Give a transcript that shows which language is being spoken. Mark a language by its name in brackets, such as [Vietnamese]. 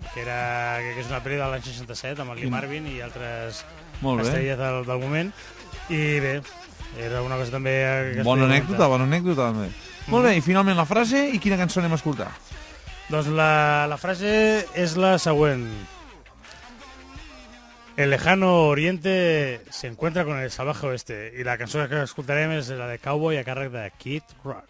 [Catalan] Que és una pel·li de l'any 67 amb el Lee Marvin i altres estrelles del moment. I bé, era una cosa també... Bona anècdota, també. Mm. Molt bé, i finalment la frase, i quina cançó anem a escoltar? Doncs la frase és la següent. [Spanish] El lejano oriente se encuentra con el salvaje oeste. [Catalan] I la cançó que escoltarem és la de Cowboy a càrrec de Kid Rock.